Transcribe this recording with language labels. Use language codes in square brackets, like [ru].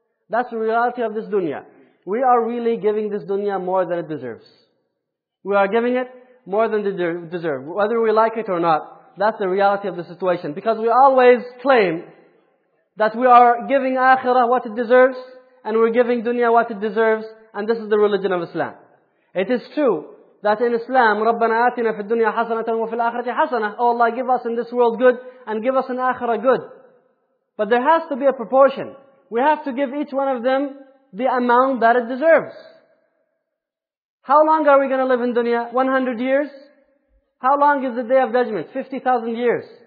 [en] That's the reality of this dunya. We are really giving this dunya more than it deserves. We are giving it more than it deserves, whether we like it or not. That's the reality of the situation. Because we always claim that we are giving akhirah what it deserves and we're giving dunya what it deserves, and this is the religion of Islam. It is true that in Islam, [ar] رَبَّنَا آتِنَا فِي الدُّنْيَا حَسَنَةً وَفِي الْآخِرَةِ حَسَنَةً. [en] Oh Allah, give us in this world good and give us in akhirah good. But there has to be a proportion. We have to give each one of them the amount that it deserves. How long are we going to live in dunya? 100 years? How long is the Day of Judgment? 50,000 years.